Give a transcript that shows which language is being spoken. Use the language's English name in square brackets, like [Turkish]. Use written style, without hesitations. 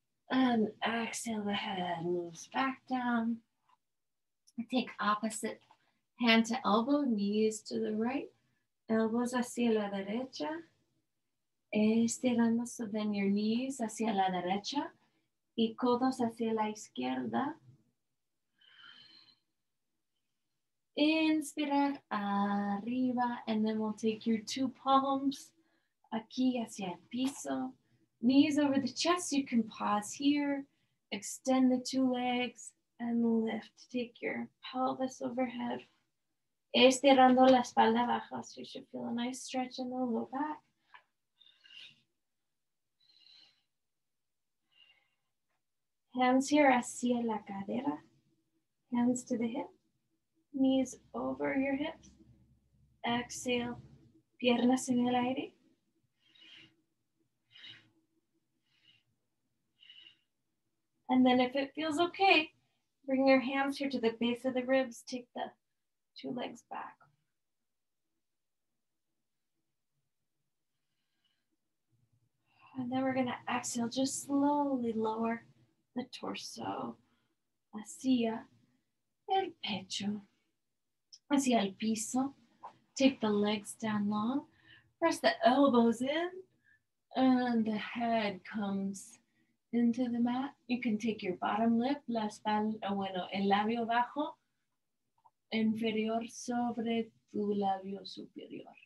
[English] And exhale, the head moves back down. Take opposite hand to elbow, knees to the right. [Spanish] Elbows hacia la derecha. Estirando, [English] so then your knees [Spanish] hacia la derecha. Y codos hacia la izquierda. Inspirar, arriba. [English] And then we'll take your two palms [Spanish] aquí hacia el piso. [English] Knees over the chest, you can pause here, extend the two legs and lift. Take your pelvis overhead. [Spanish] Estirando la espalda baja, [English] so you should feel a nice stretch in the low back. Hands here [Spanish] hacia la cadera, [English] hands to the hip, knees over your hips. [Spanish] Exhale, piernas en el aire. [English] And then if it feels okay, bring your hands here to the base of the ribs, take the two legs back. And then we're gonna exhale, just slowly lower the torso [Spanish] hacia el pecho, hacia el piso. [English] Take the legs down long. Press the elbows in and the head comes into the mat. You can take your bottom lip, [Spanish] la espalda, bueno, el labio bajo, inferior sobre tu labio superior.